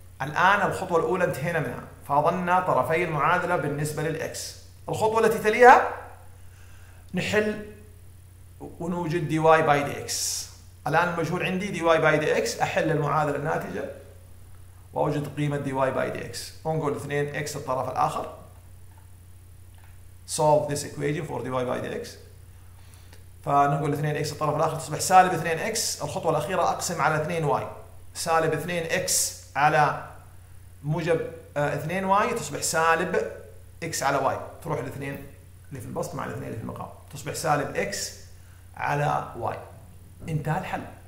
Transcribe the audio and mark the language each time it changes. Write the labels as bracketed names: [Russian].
[Arabic] الآن الخطوة الأولى انتهينا منها، فاضلنا طرفي المعادلة بالنسبة للاكس. الخطوة التي تليها نحل ونوجد dy باي dx. الآن المجهول عندي dy باي dx، أحل المعادلة الناتجة وأوجد قيمة dy باي dx. انقل 2x الطرف الآخر. [English] Solve this equation for dy by dx. [Arabic] فنقول 2x الطرف الاخر تصبح سالب 2x، الخطوه الاخيره اقسم على 2y، سالب 2x على موجب 2y تصبح سالب x على y، تروح الاثنين اللي في البسط مع الاثنين اللي في المقام، تصبح سالب x على y. انتهى الحل.